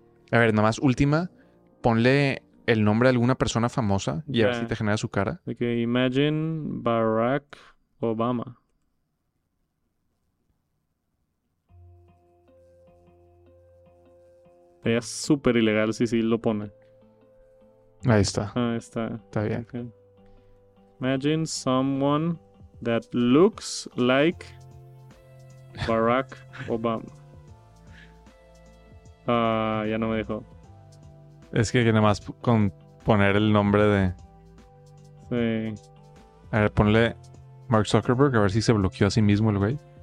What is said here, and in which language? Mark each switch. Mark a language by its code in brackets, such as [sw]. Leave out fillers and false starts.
[es] A ver, nada más, última. Ponle el nombre a alguna persona famosa y a ver si te genera su cara. [en] Ok, imagine Barack Obama. [es] Sería súper ilegal si sí lo pone. Ahí está. Ahí está. Está bien. Okay. [en] Imagine someone that looks like Barack Obama. [es] Ya no me dijo. Es que nada más con poner el nombre de... Sí. A ver, ponle Mark Zuckerberg a ver si se bloqueó a sí mismo el güey.